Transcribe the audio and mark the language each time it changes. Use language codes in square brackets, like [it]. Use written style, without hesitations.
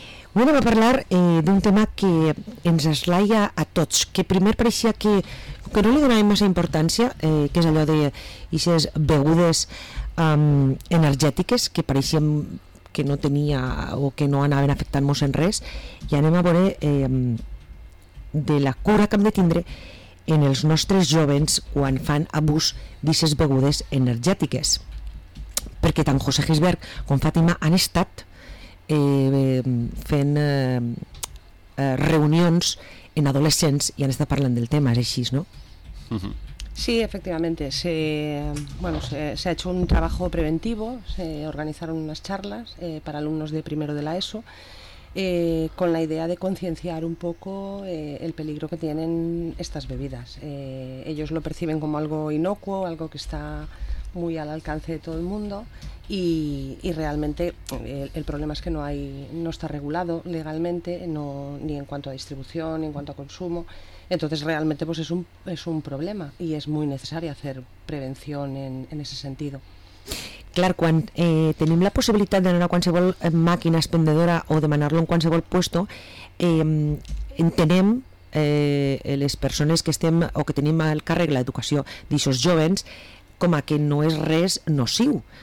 [ca] Avui anem a parlar d'un tema que ens esglaia a tots, que primer pareixia que no li donàvem massa importància, que és allò de aquestes begudes energètiques, que pareixien que no tenia o que no anaven afectant-nos en res, i anem a veure de la cura que hem de tindre en els nostres jovens quan fan abús d'aquestes begudes energètiques. Perquè tant José Gisbert com Fàtima han estat fent reunions en adolescents i han estat parlant del tema, és així, no? [es] Sí, efectivamente. Se ha hecho un trabajo preventivo, se organizaron unas charlas para alumnos de primero de la ESO con la idea de concienciar un poco el peligro que tienen estas bebidas. Ellos lo perciben como algo inocuo, algo que está muy al alcance de todo el mundo y realmente el problema es que no está regulado legalmente, no, ni en cuanto a distribución, ni en cuanto a consumo. Entonces realmente pues es un problema y es muy necesario hacer prevención en ese sentido. [ca] Clar, quan tenim la possibilitat d'anar a qualsevol màquina expendedora o demanar-lo en qualsevol puesto, entenem les persones que estem o que tenim al càrrec l'educació d'aixòs jovens com a que no és res nociu.